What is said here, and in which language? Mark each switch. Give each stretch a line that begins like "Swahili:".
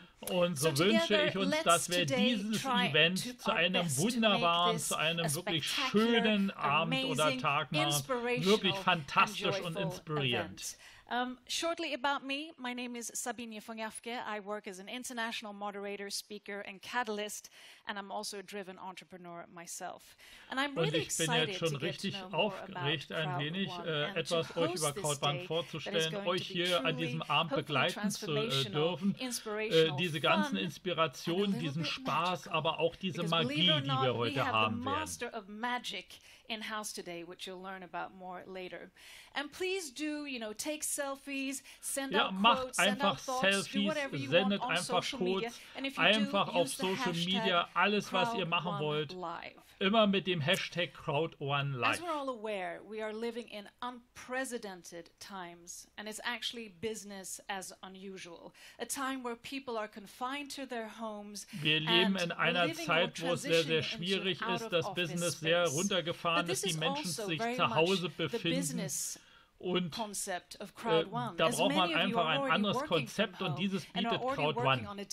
German: Und so wünsche ich uns dann, dass wir dieses Event zu einem wunderbaren, zu einem wirklich schönen Abend oder Tag machen, wirklich fantastisch und inspirierend.
English: Shortly about me, my name is Sabine Fonjavke. I work as an international moderator, speaker and catalyst and I'm also a driven entrepreneur myself. And I'm really excited
German: bin jetzt schon richtig aufgeregt, ein wenig etwas euch über CrowdOne vorzustellen, euch hier an diesem Abend begleiten zu dürfen, diese ganzen Inspirationen, diesen Spaß, aber auch diese Magie, die wir heute haben werden.
English: In house today, which you'll learn about more later. And please do, you know, take selfies, send out quotes,
German: macht einfach Selfies, sendet einfach Quotes, einfach auf Social Media, alles was ihr machen wollt, immer mit dem Hashtag CrowdOneLive.
English: As we're all aware, we are living in unprecedented times, and it's actually business as unusual. A time where people are confined to their homes.
German: Wir leben in einer Zeit, wo es sehr, sehr schwierig ist, das Business sehr runtergefahren. Dass die Menschen sich zu Hause befinden. Und da braucht man einfach ein anderes Konzept und dieses bietet CrowdOne.